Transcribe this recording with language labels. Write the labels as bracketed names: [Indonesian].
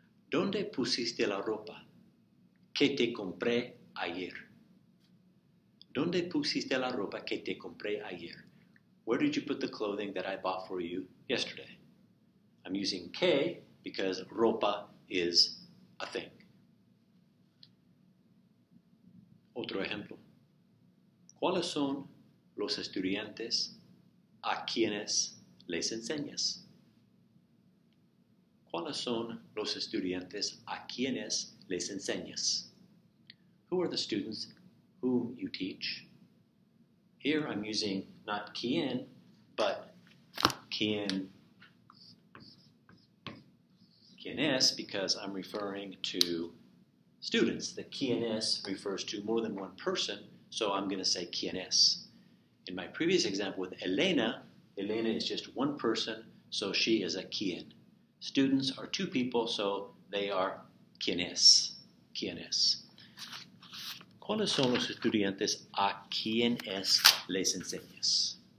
[Spanish] ¿Dónde pusiste la ropa que te compré ayer? ¿Dónde pusiste la ropa que te compré ayer? [English] Where did you put the clothing that I bought for you yesterday? I'm using que because ropa is a thing. [Spanish] Otro ejemplo. ¿Cuáles son los estudiantes a quienes les enseñas? ¿Cuáles son los estudiantes a quienes les enseñas? [English] Who are the students whom you teach? Here I'm using not quien, but quienes, because I'm referring to students. The quienes refers to more than one person, so I'm going to say quienes. In my previous example with Elena, Elena is just one person, so she is a quien. Students are two people, so they are quienes, quienes. [Spanish] ¿Cuáles son los estudiantes a quienes les enseñas?